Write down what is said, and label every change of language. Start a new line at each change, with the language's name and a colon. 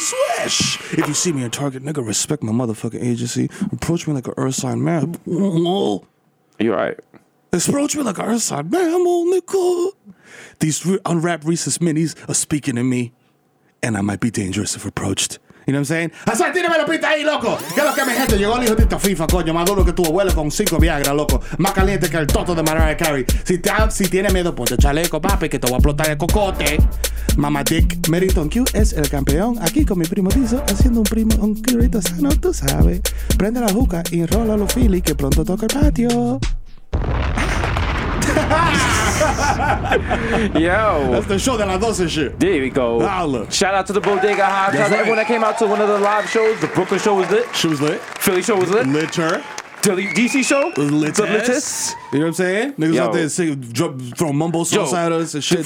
English: Swish. If you see me in Target, nigga, respect my motherfucking agency. Approach me like an earth sign man. You're right. Approach me like an earth sign man, old nigga. These unwrapped Reese's Minis are speaking to me, and I might be dangerous if approached. You know what I'm saying?
Spanish: ¡Así, tíreme la pita ahí, loco! ¿Qué es lo que mi gente? Llegó el hijo de esta FIFA, coño. Más duro que tu abuelo con cinco Viagra, loco. Más caliente que el toto de Mariah Carey. Si tiene miedo, ponte chaleco, papi, que te voy a explotar el cocote. Mama Dick. Meriton Q es el campeón. Aquí con mi primo Dizzo, haciendo un primo, un currito sano, tú sabes. Prende la juca y enrola los Philly, que pronto toca el patio.
English: Yo, that's the show that I lost and shit. There we go. Holla. Shout out to the Bodega Hot Tub. Everyone that came out to one of the live shows. The Brooklyn show was lit. She was lit. Philly show was lit. Litter. DC show was litest. The litest. You know what I'm saying? Niggas out there singing, throwing mumble sauce at us and shit.